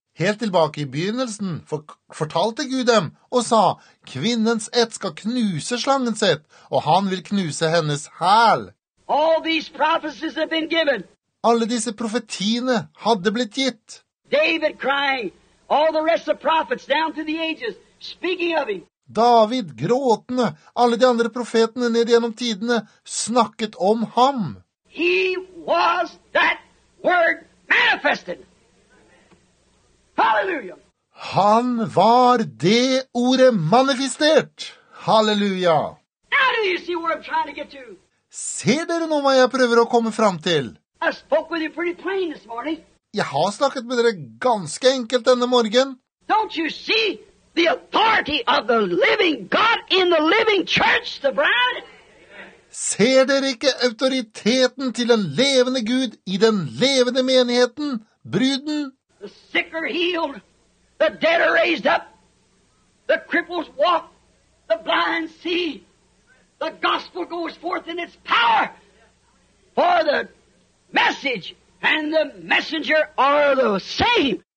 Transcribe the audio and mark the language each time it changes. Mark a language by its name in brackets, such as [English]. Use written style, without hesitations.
[Norwegian] Helt tilbake i begynnelsen fortalte Gud dem og sa, kvinnens ett skal knuse slangens ett, og han vil knuse hennes hæl. [English] All these prophecies have been given. [Norwegian] Alle disse profetiene hadde blitt gitt. [English] David crying, all the rest of prophets down to the ages, speaking of him. [Norwegian] David gråtende, alle de andre profetene ned gjennom tidene, snakket om ham. [English] He was that word manifested. [Norwegian] Halleluja! Han var det ordet manifestert. Halleluja! [English] Now do you see where I'm trying to get to? [Norwegian] Ser dere nå hva jeg prøver å komme fram til? [English] I spoke with you pretty plain this morning. [Norwegian] Jeg har snakket med dere ganske enkelt denne morgen. [English] Don't you see the authority of the living God in the living church, the bride? [Norwegian] Ser dere ikke autoriteten til den levende Gud i den levende menigheten, bruden? [English] The sick are healed, the dead are raised up, the cripples walk, the blind see, the gospel goes forth in its power for the message and the messenger are the same.